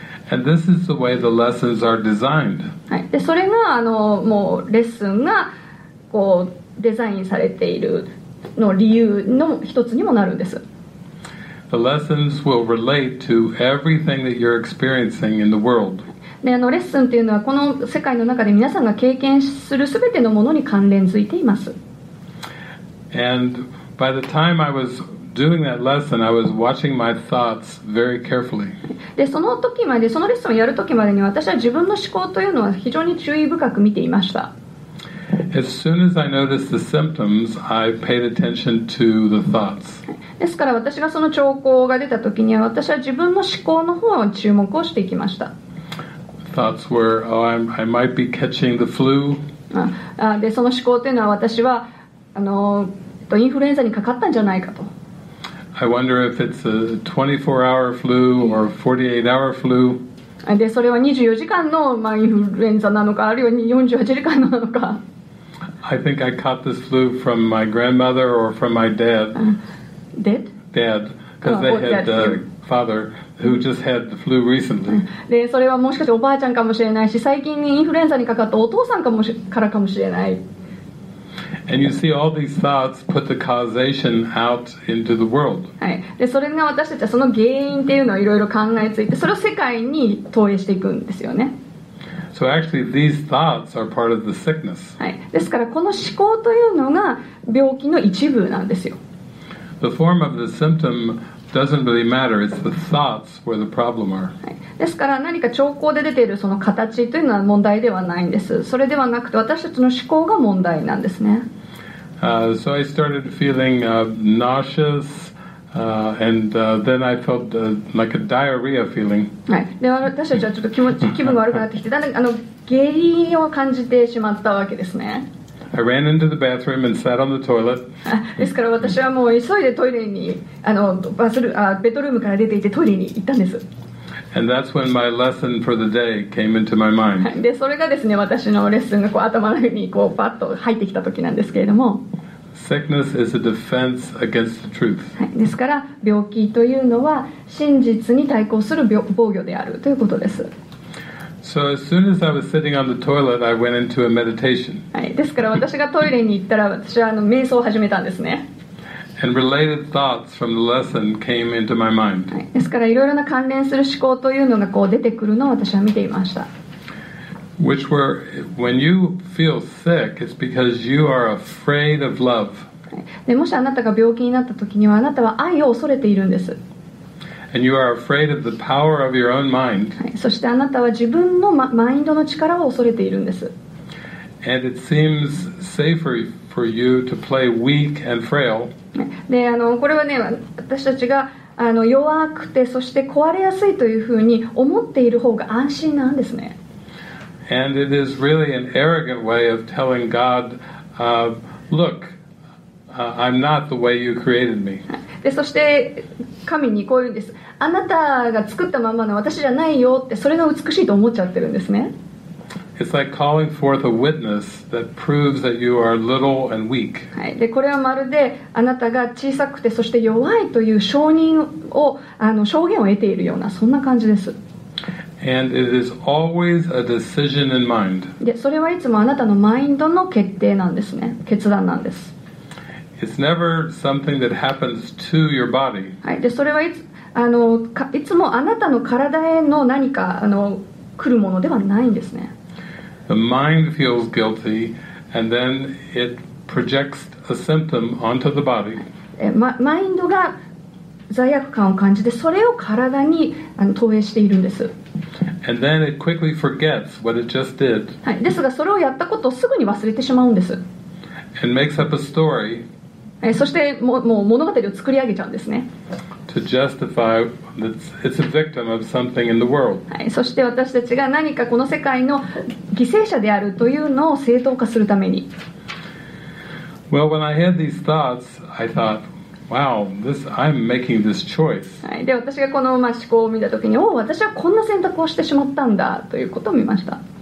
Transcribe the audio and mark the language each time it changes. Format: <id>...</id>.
<en>And this is the way the lessons are designed.</en> <ja>はい。で、それが、あの、もう、レッスンが、こう、デザインされているの理由の一つにもなるんです。</ja> <en>The lessons will relate to everything that you're experiencing in the world.</en> <ja>で、あの、レッスンっていうのは、この世界の中で皆さんが経験するすべてのものに関連づいています。</ja> <en>And by the time I was doing that lesson, I was watching my thoughts very carefully.</en> <ja>で、その時まで、そのレッスンをやる時までに、私は自分の思考というのは非常に注意深く見ていました。</ja> <en>As soon as I noticed the symptoms, I paid attention to the thoughts.</en> <ja>ですから私がその兆候が出た時には私は自分の思考の方を注目をしていきました。</ja> <en>Thoughts were, oh, I might be catching the flu.</en> <ja>で、その思考というのは私は、あの、インフルエンザにかかったんじゃないかと。</ja> <en>I wonder if it's a 24-hour flu or 48-hour flu.</en> <ja>で、それは24時間の、まあ、インフルエンザなのか、あるいは48時間なのか。</ja> <en>I think I caught this flu from my grandmother or from my dad. Dead? Dad. Because they had a father who just had the flu recently.</en> <ja>で、それはもしかしておばあちゃんかもしれないし、最近インフルエンザにかかったお父さんからかもしれない。</ja> <en>And you see all these thoughts put the causation out into the world.</en> <ja>はい。で、それが私たちはその原因っていうのをいろいろ考えついて、それを世界に投影していくんですよね。</ja> <en>So actually these thoughts are part of the sickness.</en> <ja>はい。ですからこの思考というのが病気の一部なんですよ。</ja> <en>The form of the symptom doesn't really matter. It's the thoughts where the problem are.</en> <ja>はい。ですから何か兆候で出ているその形というのは問題ではないんです。それではなくて私たちの思考が問題なんですね。</ja> <en>So I started feeling nauseous. Then I felt like a diarrhea feeling.</en> <ja>はい。で、私たちはちょっと気分が悪くなってきて、だんだんあの下痢を感じてしまったわけですね。</ja> <en>I ran into the bathroom and sat on the toilet.</en> <ja>ですから私はもう急いでトイレに、あの、バスル、あ、ベッドルームから出ていてトイレに行ったんです。</ja> <en>And that's when my lesson for the day came into my mind.</en> <ja>で、それがですね、私のレッスンがこう頭の上にこうパッと入ってきた時なんですけれども。</ja> <en>Sickness is a defense against the truth.</en> <ja>ですから病気というのは真実に対抗する防御であるということです。</ja> <en>So as soon as I was sitting on the toilet, I went into a meditation.</en> <ja>はい、ですから私がトイレに行ったら私はあの瞑想を始めたんですね。</ja> <en>And related thoughts from the lesson came into my mind.</en> <ja>はい、ですからいろいろな関連する思考というのがこう出てくるのを私は見ていました。</ja> <en>Which were, when you feel sick, it's because you are afraid of love.</en> <ja>で、もしあなたが病気になった時にはあなたは愛を恐れているんです。</ja> <en>And you are afraid of the power of your own mind.</en> <ja>はい、そしてあなたは自分のマインドの力を恐れているんです。</ja> <en>And it seems safer for you to play weak and frail.</en> <ja>で、あの、これはね、私たちがあの弱くてそして壊れやすいというふうに思っている方が安心なんですね。</ja> <en>And it is really an arrogant way of telling God, look, I'm not the way you created me.</en> <ja>で、そして神にこう言うんです。あなたが作ったままの私じゃないよって、それが美しいと思っちゃってるんですね。</ja> <en>It's like calling forth a witness that proves that you are little and weak.</en> <ja>はい。で、これはまるであなたが小さくてそして弱いという証人を、あの、証言を得ているようなそんな感じです。</ja> <en>And it is always a decision in mind.</en> <ja>で、それはいつもあなたのマインドの決定なんですね。決断なんです。</ja> <en>It's never something that happens to your body.</en> <ja>はい。で、それはあの、いつもあなたの体への何か、あの、来るものではないんですね。</ja> <en>The mind feels guilty, and then it projects a symptom onto the body.</en> <ja>マインドが罪悪感を感じて、それを体に、あの、投影しているんです。</ja> <en>And then it quickly forgets what it just did.</en> <ja>ですがそれをやったことをすぐに忘れてしまうんです。</ja> <en>And makes up a story.</en> <ja>そしてもう物語を作り上げちゃうんですね。</ja> <en>To justify that it's a victim of something in the world.</en> <ja>そして私たちが何かこの世界の犠牲者であるというのを正当化するために。</ja> <en>Well, when I had these thoughts, I thought, wow, this, I'm making this choice.</en> <ja>で、私がこの思考を見たときに、おお、私はこんな選択をしてしまったんだということを見ました。</ja>